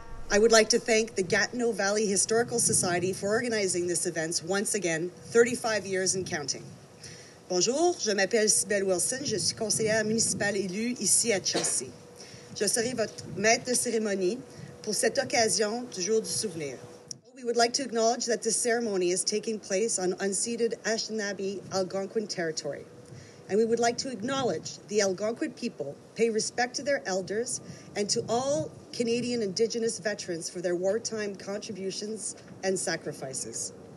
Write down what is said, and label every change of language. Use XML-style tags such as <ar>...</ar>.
<en>I would like to thank the Gatineau Valley Historical Society for organizing this event once again, 35 years and counting.</en> <fr>Bonjour, je m'appelle Sybelle Wilson, je suis conseillère municipale élue ici à Chelsea. Je serai votre maître de cérémonie pour cette occasion du jour du souvenir.</fr> <en>We would like to acknowledge that this ceremony is taking place on unceded Anishinaabe Algonquin territory. And we would like to acknowledge the Algonquin people, pay respect to their elders, and to all Canadian Indigenous veterans for their wartime contributions and sacrifices.</en>